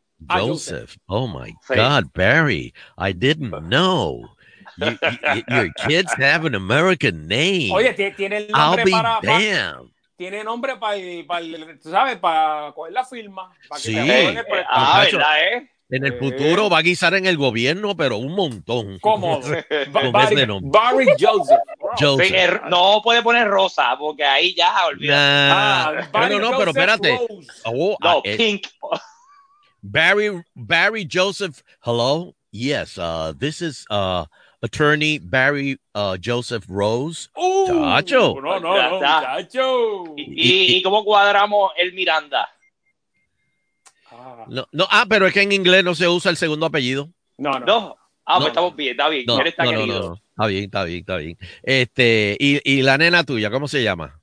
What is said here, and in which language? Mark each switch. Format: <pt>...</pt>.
<en>Joseph, oh my God, Barry, I didn't know your kids have an American name.</en> <es>Oye, tiene el nombre tiene nombre tú sabes, para coger la firma. Sí, verdad, En el futuro va a guisar en el gobierno, pero un montón. ¿Cómo? Barry Joseph. Sí, no puede poner Rosa, porque ahí ya, olvídate. Pero espérate.</es> <en>Pink. Barry Joseph, hello? Yes, this is attorney Barry Joseph Rose.</en> <es>¡Chacho! ¡No, chacho! ¿Y cómo cuadramos el Miranda? No, pero es que en inglés no se usa el segundo apellido. No. Está bien. Y la nena tuya, ¿cómo se llama?</es>